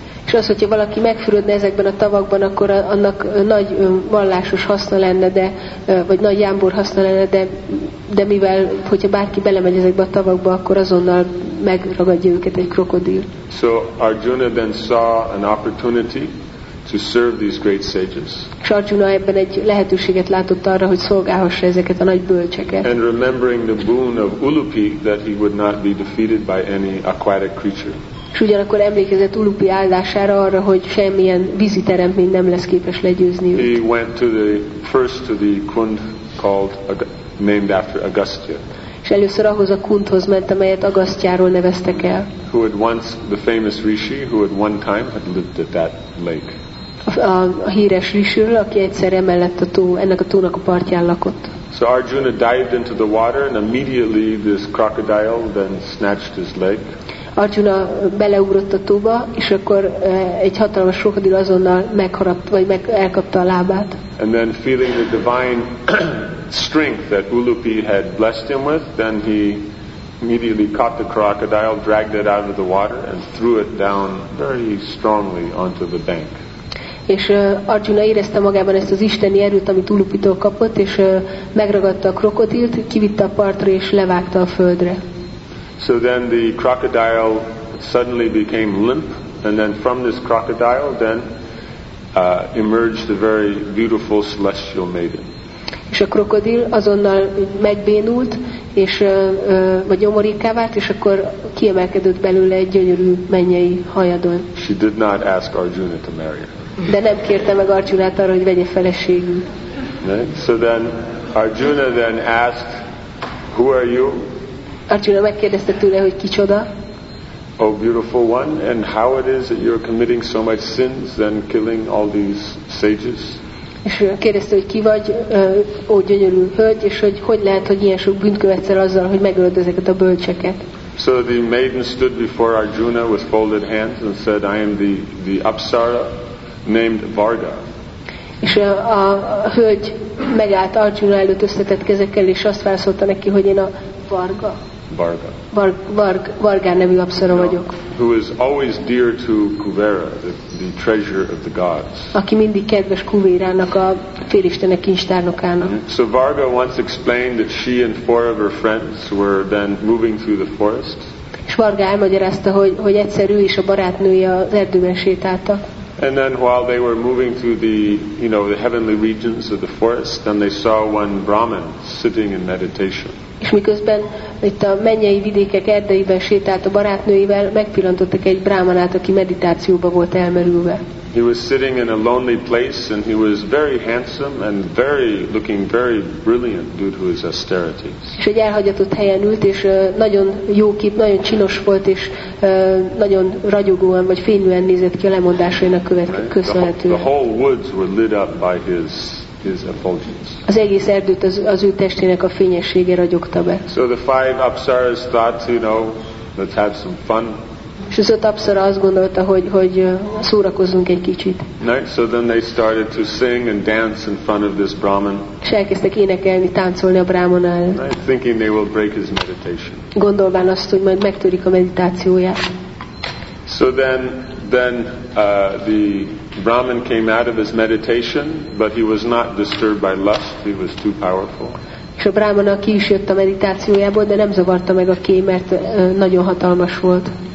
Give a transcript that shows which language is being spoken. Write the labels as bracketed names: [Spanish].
[Hungarian] És az, hogyha valaki megfürödne ezekben a tavakban, akkor annak nagy vallásos haszna lenne, de vagy nagy jámbor haszna lenne, de mivel, hogyha bárki belemegy ezekbe a tavakba, akkor azonnal megragadja őket egy krokodil. [English] So Arjuna then saw an opportunity to serve these great sages. [Hungarian] És Arjuna ebben egy lehetőséget látott arra, hogy szolgálhassa ezeket a nagy bölcseket. [English] And remembering the boon of Ulupi that he would not be defeated by any aquatic creature. [Hungarian] És ugyanakkor emlékezett Ulupi áldására arra, hogy semmilyen vízi teremtmény nem lesz képes legyőzni őt. [English] He went to the first to the kund called named after Agastya. [Hungarian] És először ahhoz a kundhoz ment, amelyet Agasztyáról neveztek el. [English] Who had once the famous rishi who at one time had lived at that lake. [Hungarian] A híres rishiről, aki egyszer emellett a tó, ennek a tónak a partján lakott. [English] So Arjuna dived into the water and immediately this crocodile then snatched his leg. [Hungarian] Arjuna beleugrott a tóba, és akkor egy hatalmas krokodil azonnal megharapta, vagy elkapta a lábát. [English] And then feeling the divine strength that Ulupi had blessed him with, then he immediately caught the crocodile, dragged it out of the water, and threw it down very strongly onto the bank. [Hungarian] És Arjuna érezte magában ezt az isteni erőt, amit Ulupitól kapott, és megragadta a krokodilt, kivitte a partra, és levágta a földre. [English] So then the crocodile suddenly became limp, and then from this crocodile then emerged a very beautiful celestial maiden. [Hungarian] És a krokodil azonnal megbénult, és vagy nyomorékká vált, és akkor kiemelkedett belőle egy gyönyörű mennyei hajadon. [English] She did not ask Arjuna to marry her. [Hungarian] De nem kérte meg Arjunát arra, hogy vegye feleségül. [English] So then Arjuna then asked, "Who are you?" [Hungarian] Arjuna megkérdezte tőle, hogy kicsoda. [English] Oh, beautiful one, and how it is that you're committing so much sins and killing all these sages? [Hungarian] És kérdezte, hogy ki vagy, ó gyönyörű hölgy, és hogy hogy lehet, hogy ilyen sok bűnt követsz el azzal, hogy megölöd ezeket a bölcseket. [English] So the maiden stood before Arjuna with folded hands and said, "I am the apsara named Varga." [Hungarian] És a hölgy megállt Arjuna előtt összetett kezekkel, és azt válaszolta neki, hogy én a Varga. Varga. Varga nevű apsara vagyok. [English] Who is always dear to Kuvera, the treasure of the gods. [Hungarian] Aki mindig kedves Kuvérának, a félistenek kincstárnokának. [English] So Varga once explained that she and four of her friends were then moving through the forest. [Hungarian] És Varga elmagyarázta, hogy egyszer ő és a barátnője az erdőben sétáltak. [English] And then while they were moving through the heavenly regions of the forest, then they saw one Brahmin sitting in meditation. [Hungarian] És miközben itt a mennyei vidékek erdeiben sétált a barátnőivel, megpillantottak egy brámanát, aki meditációba volt elmerülve. [English] He was sitting in a lonely place, and he was very handsome and looking very brilliant due to his austerities. [Hungarian] És egy elhagyatott helyen ült, és nagyon jó kép, nagyon csinos volt, és nagyon ragyogóan vagy fénylően nézett ki a lemondásainak köszönhetően. [English] The whole woods were lit up by his effulgence. [Hungarian] Az egész erdőt az ő testének a fényessége ragyogta be. [English] So the five apsaras thought, let's have some fun. [Hungarian] És az öt apszara azt gondolta, hogy szórakozzunk egy kicsit. [English] Right, so then they started to sing and dance in front of this Brahman. [Hungarian] És elkezdtek énekelni, táncolni a Brahman előtt. [English] Right, thinking they will break his meditation. [Hungarian] Gondolván azt, hogy majd megtörik a meditációját. [English] So then the Brahman came out of his meditation, but he was not disturbed by lust, he was too powerful. [Hungarian] És a Brahman ki is jött a meditációjából, de nem zavarta meg a kém, mert nagyon hatalmas volt.